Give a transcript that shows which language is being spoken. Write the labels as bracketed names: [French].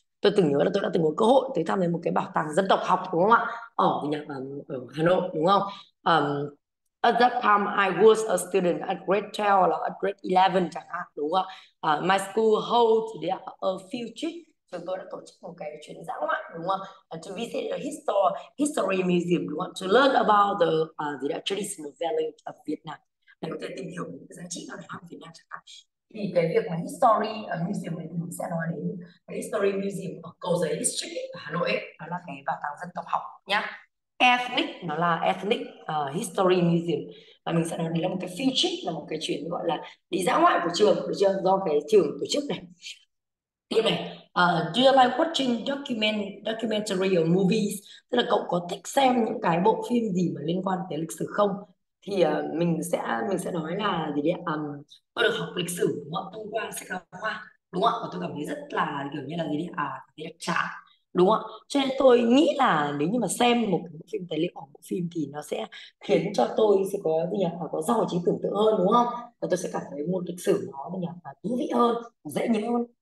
[Vietnamese] Tôi từng nhớ là tôi đã từng có cơ hội tới thăm đến một cái bảo tàng dân tộc học đúng không ạ? Ở Hà Nội đúng không? [English] At that time I was a student at grade 12 or at grade 11 [Vietnamese] chẳng hạn đúng không? [English] My school held a field trip. [Vietnamese] Chúng tôi đã tổ chức một cái chuyến dã ngoại đúng không? [English] To visit a history museum [Vietnamese] đúng không? [English] To learn about the traditional value of Vietnam. [Vietnamese] Để có thể tìm hiểu những cái giá trị văn hóa Việt Nam chẳng hạn. Thì cái việc mà history ở museum này mình sẽ nói đến cái history museum ở Cầu Giấy District ở Hà Nội ấy, đó là cái bảo tàng dân tộc học nhá. Ethnic nó là ethnic history museum, và mình sẽ nói đến là một cái field trip, là một cái chuyến gọi là đi dã ngoại của trường, được chưa, do cái trường tổ chức này. Tiếp này, [English] do you like watching documentary or movies? [Vietnamese] Tức là cậu có thích xem những cái bộ phim gì mà liên quan tới lịch sử không? Thì mình sẽ nói là gì đấy, tôi được học lịch sử mọi thông qua sách giáo khoa đúng không, và tôi cảm thấy rất là kiểu như là gì đấy, chán đúng không, cho nên tôi nghĩ là nếu như mà xem một cái phim tài liệu hoặc một phim thì nó sẽ khiến cho tôi sẽ có gì nhỉ, có giàu trí tưởng tượng hơn đúng không, và tôi sẽ cảm thấy một lịch sử nó thú vị hơn, dễ nhớ hơn.